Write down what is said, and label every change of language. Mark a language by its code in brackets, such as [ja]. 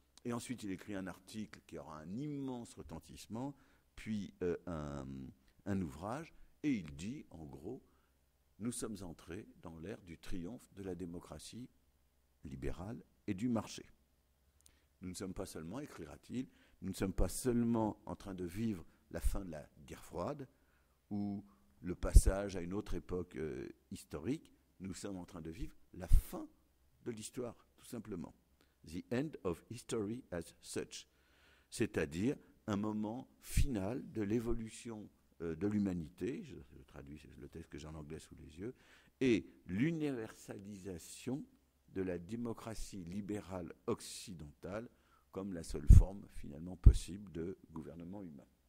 [fr] Et ensuite, il écrit un article qui aura un immense retentissement, puis un ouvrage, et il dit, en gros, nous sommes entrés dans l'ère du triomphe de la démocratie libérale et du marché. Nous ne sommes pas seulement, écrira-t-il, nous ne sommes pas seulement en train de vivre la fin de la guerre froide ou le passage à une autre époque historique, nous sommes en train de vivre la fin de l'histoire, tout simplement. [en] The end of history as such. [fr] C'est-à-dire un moment final de l'évolution de l'humanité, je traduis le texte que j'ai en anglais sous les yeux, et l'universalisation de la démocratie libérale occidentale comme la seule forme finalement possible de gouvernement humain.